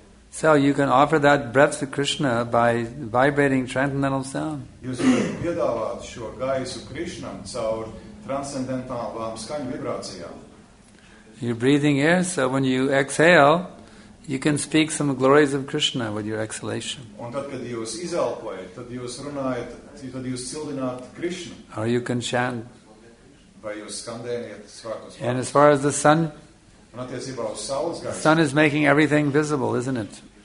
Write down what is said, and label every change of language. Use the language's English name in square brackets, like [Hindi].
[English] So you can offer that breath to Krishna by vibrating transcendental sound. [Latvian] Jūs varat piedāvāt šo gaisu Krishnam caur transcendentālām skaņu vibrācijām. [English] You're breathing air, so when you exhale, you can speak some glories of Krishna with your exhalation. [Latvian] Un tad, kad jūs izelpojat, tad jūs runājat, tad jūs cildināt Krishna. [English] Or you can chant. [Latvian] Vai jūs skandēniet svētos vārdus. [English] And as far as the sun, the sun is making everything visible, isn't it?